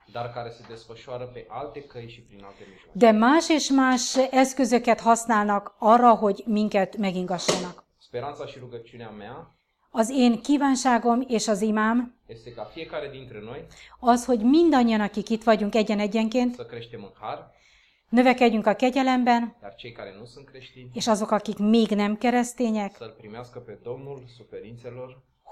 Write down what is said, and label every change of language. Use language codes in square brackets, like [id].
[ro] Dar care se desfășoară pe alte căi și prin alte mijloace. [hu] De más és más eszközöket használnak arra, hogy minket megingassanak. [ro] Speranța și rugăciunea mea. [hu] Az én kívánságom és az imám. [ro] Este ca fiecare dintre noi. [hu] Az, hogy mindannyian, akik itt vagyunk egyen-egyenként. [ro] Să creștem în har. [hu] Növekedjünk a kegyelemben, [ro] dar cei care nu sunt creștini, [hu] és azok, akik még nem keresztények, [ro] să-l primească pe Domnul suferințelor.